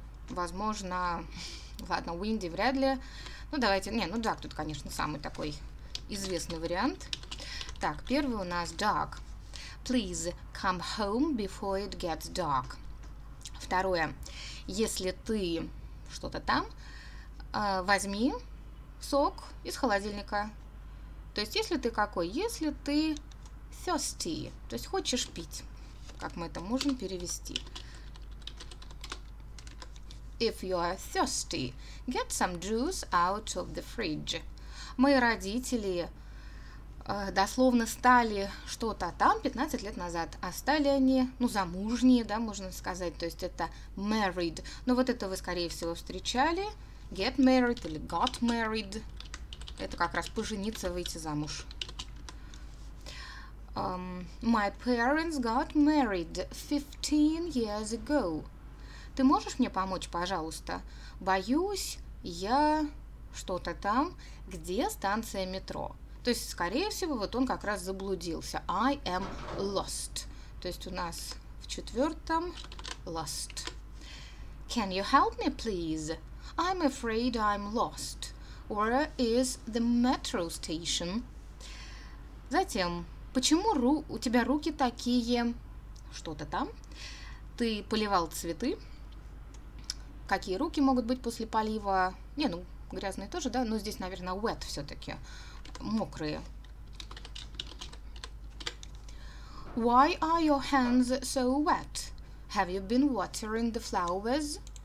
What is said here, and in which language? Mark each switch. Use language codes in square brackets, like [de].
[ru] Возможно, ладно, Уинди вряд ли. Ну, давайте, не, ну, dark тут, конечно, самый такой известный вариант. Так, первый у нас dark. [en] Please come home before it gets dark. [ru] Второе. Если ты что-то там, возьми сок из холодильника. То есть, если ты какой? Если ты thirsty, то есть хочешь пить, как мы это можем перевести. [en] If you are thirsty, get some juice out of the fridge. [ru] Мои родители дословно стали что-то там 15 лет назад, а стали они, ну, замужние, да, можно сказать, то есть это married. Но вот это вы, скорее всего, встречали, [en] get married [ru] или [en] got married. [ru] Это как раз пожениться, выйти замуж. [en] My parents got married 15 years ago. [ru] Ты можешь мне помочь, пожалуйста? Боюсь, я что-то там, где станция метро. То есть, скорее всего, вот он как раз заблудился. [en] I am lost. [ru] То есть у нас в четвертом lost. [en] Can you help me, please? I'm afraid I'm lost. Where is the metro station? [ru] Затем, почему у тебя руки такие что-то там? Ты поливал цветы? Какие руки могут быть после полива? Не, ну, грязные тоже, да, но здесь, наверное, wet все-таки. Мокрые. [en] Why are your hands so wet? Have you been watering the flowers?